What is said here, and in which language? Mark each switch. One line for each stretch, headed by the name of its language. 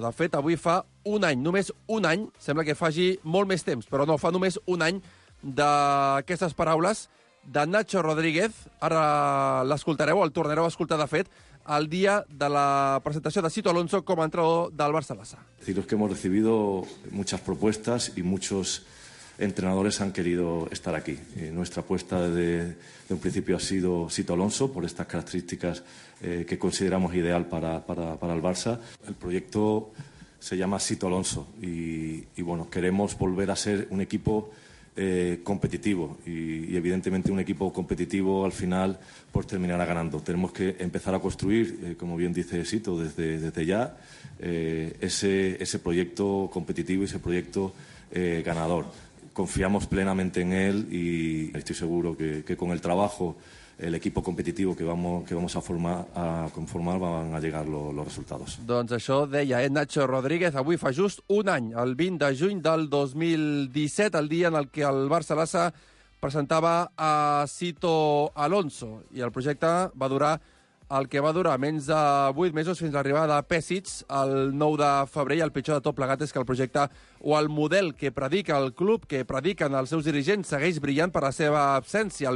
Catalan: De fet, avui fa un any, només un any, sembla que faci molt més temps, però no, fa només un any d'aquestes paraules de Nacho Rodríguez. Ara l'escoltareu, el tornareu a escoltar, de fet, el dia de la presentació de Sito Alonso com a entrenador del Barcelona.
Spanish: Deciros que hemos recibido muchas propuestas y muchos entrenadores han querido estar aquí. Y nuestra apuesta de un principio ha sido Sito Alonso por estas características que consideramos ideal para el Barça. El proyecto se llama Sito Alonso y bueno, queremos volver a ser un equipo competitivo y evidentemente un equipo competitivo al final pues terminará ganando. Tenemos que empezar a construir, como bien dice Sito, desde ya ese proyecto competitivo y ese proyecto ganador. Confiamos plenamente en él y estoy seguro que con el trabajo, el equipo competitivo que vamos a conformar van a llegar los resultados.
Catalan: Doncs això deia Nacho Rodríguez. Avui fa just un any, el 20 de juny del 2017, el dia en el que el Barcelona presentava a Sito Alonso. I el projecte va durar el que va durar, menys de 8 mesos fins a l'arribada de Pesic el 9 de febrer. I el pitjor de tot plegat és que el projecte o el model que predica el club, que prediquen els seus dirigents, segueix brillant per la seva absència.